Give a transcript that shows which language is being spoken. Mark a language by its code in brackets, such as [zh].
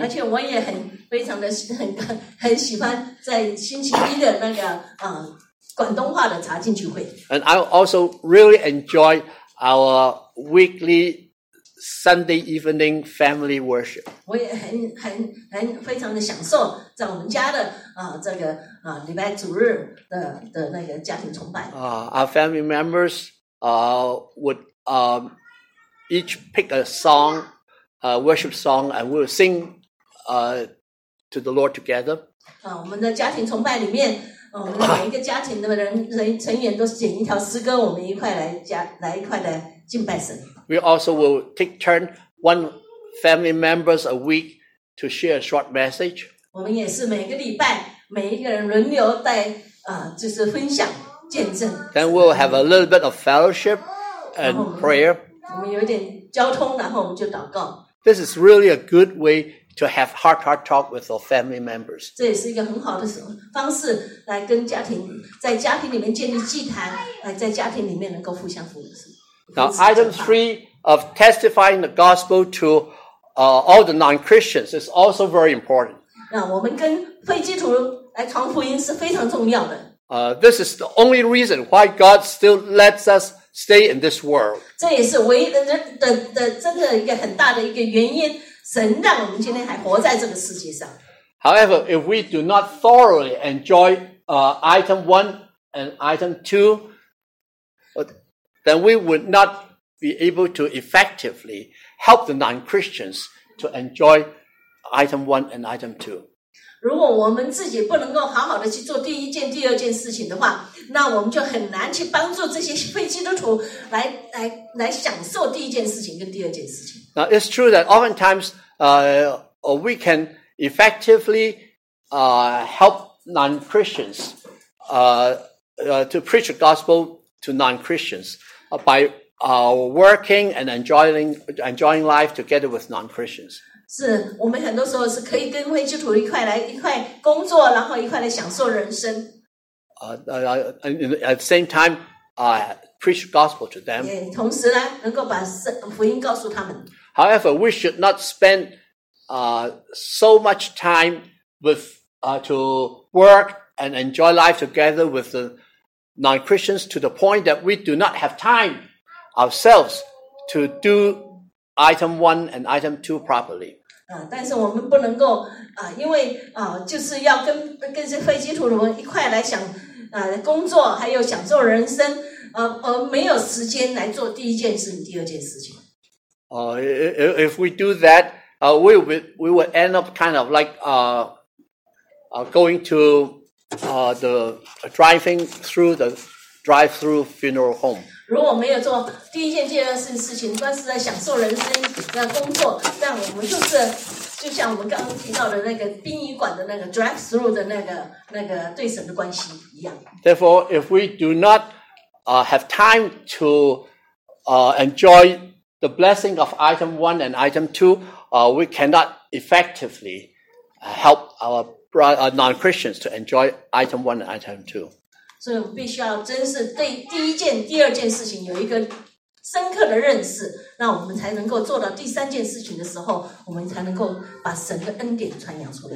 [zh] 而且我也非常的很喜欢在星期一的那个广东话的查经聚会。 [en] And I also really enjoy our weekly Sunday evening family worship. [zh] 我也很非常的享受在我们家的礼拜主日的那个家庭崇拜。 [en] Our family members would each pick a song. A worship song, and we'll sing to the Lord together. [zh] 我们的家庭崇拜里面，我们每一个家庭的成员都写一条诗歌，我们一块来敬拜神。 [en] We also will take turn one family members a week to share a short message. [zh] 我们也是每个礼拜每一个人轮流带就是分享见证。 [en] Then we'll have a little bit of fellowship and prayer. [zh] 我们有点。交通，然后我们就祷告。 [en] This is really a good way to have heart-to-heart talk with our family members. [zh] 这也是一个很好的方式来跟家庭，在家庭里面建立祭坛，来在家庭里面能够互相扶持。 [en] Now, item three of testifying the gospel to all the non-Christians is also very important. [zh] 那我们跟非基督徒来传福音是非常重要的。 [en] This is the only reason why God still lets us. Stay in this world. [zh] 这也是唯一的真的一个很大的一个原因，神让我们今天还活在这个世界上。 [en] However, if we do not thoroughly enjoy item one and item two, then we would not be able to effectively help the non-Christians to enjoy item one and item two. [zh] 如果我们自己不能够好好的去做第一件、第二件事情的话，那我们就很难去帮助这些非基督徒来享受第一件事情跟第二件事情。 [en] Now it's true that oftentimes, we can effectively, help non-Christians, to preach the gospel to non-Christians by working and enjoying life together with non-Christians. [zh] 是我们很多时候是可以跟基督徒一块工作，然后一块来享受人生。 [en] At the same time, preach gospel to them. [zh] 同时呢，能够把福音告诉他们。 [en] However, we should not spend so much time with to work and enjoy life together with the non-Christians to the point that we do not have time ourselves to do item one and item two properly. [zh] 但是我们不能够因为就是要跟这非基督徒一块来想工作还有享受人生而没有时间来做第一件事第二件事情。 [en] If we do that, we will end up kind of like going to the driving through the drive-through funeral home. [zh] 如果没有做第一件第二件事情，光是在享受人生的工作，那我们就像我们刚刚提到的那个殡仪馆的那个 drive-through 的那个对神的关系一样。 [en] Therefore, if we do not have time to enjoy the blessing of item one and item two, we cannot effectively help our non-Christians to enjoy item one and item two. So we [zh] 必须要真是对第一件、第二件事情有一个深刻的认识，那我们才能够做到第三件事情的时候，我们才能够把神的恩典传扬出来。